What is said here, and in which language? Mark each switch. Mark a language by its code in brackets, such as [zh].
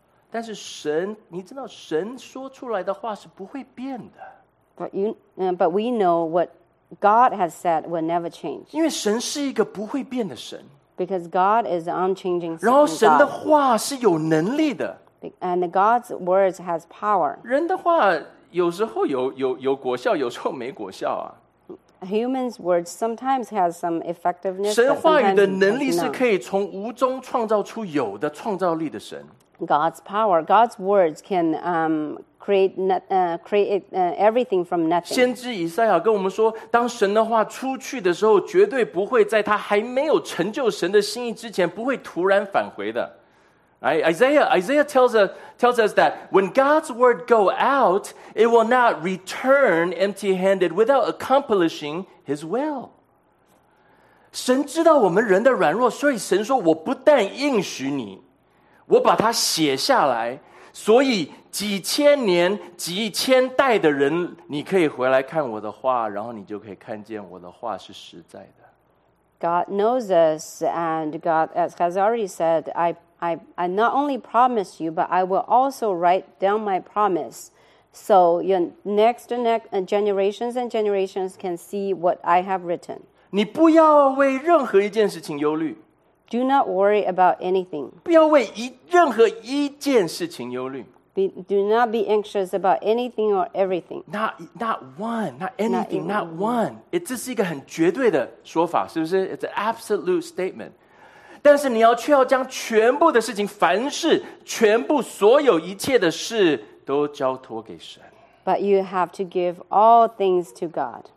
[zh] 但是神，你知道神说出来的话是不会变的。 [en] But we know what God has said will never change. [zh] 因为神是一个不会变的神。 [en] Because God is unchanging. [zh] 然后神的话是有能力的。 [en] And God's words has power. [zh] 人的话。有时候有果效，有时候没果效啊。 [en] Human's words sometimes has some effectiveness. [zh] 神话语的能力是可以从无中创造出有的创造力的神。 [en] God's power, God's words can create everything from nothing. [zh] 先知以赛亚跟我们说，当神的话出去的时候，绝对不会在他还没有成就神的心意之前，不会突然返回的。 [en] Isaiah tells us that when God's word go out, it will not return empty-handed without accomplishing His will. [zh] 神知道我们人的软弱，所以神说我不但应许你，我把它写下来，所以几千年、几千代的人，你可以回来看我的话，然后你就可以看见我的话是实在的。 [en] God knows us, and God has already said, I not only promise you, but I will also write down my promise so your next generations and generations can see what I have written. [zh] 你不要为任何一件事情忧虑。 [en] Do not worry about anything. [zh] 不要为任何一件事情忧虑。 [en] Do not be anxious about anything or everything. Not one. [zh] 这是一个很绝对的说法，是不是？ [en] It's an absolute statement. [zh] 但是你要却要将全部的事情，凡事，全部所有一切的事都交托给神。 [en] But you have to give all things to God.